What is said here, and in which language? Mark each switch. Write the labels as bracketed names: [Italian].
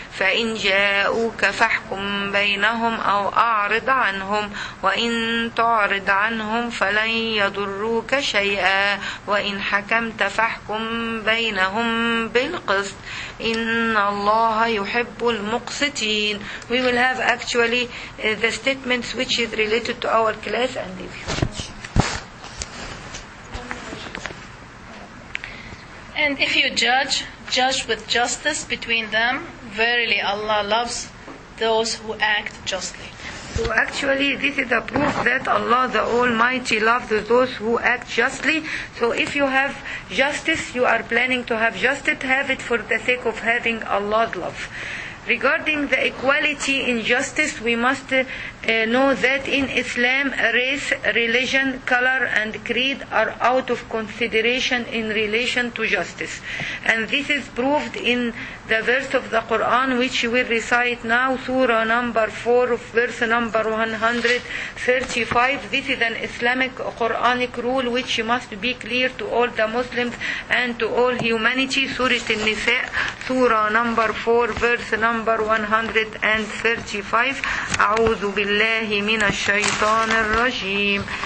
[Arabic] فإن جاءوك فاحكم بينهم أو أعرض عنهم وإن تعرض عنهم فلن يضروك شيئا وإن حكمت فاحكم بينهم بالقسط إن الله يحب المقسطين. [English] We will have actually the statements which is related to our class and if you And if you judge with justice between them, verily Allah loves those who act justly. So actually, this is a proof that Allah the Almighty loves those who act justly. So if you have justice, you are planning to have justice, have it for the sake of having Allah's love. Regarding the equality in justice, we must know that in Islam, race, religion, color, and creed are out of consideration in relation to justice. And this is proved in the verse of the Quran, which we recite now, Surah number 4, verse number 135. This is an Islamic Quranic rule which must be clear to all the Muslims and to all humanity. Surah Al-Nisa, Surah Surah number 4, verse number 135. [Arabic] أعوذ بالله من الشيطان الرجيم.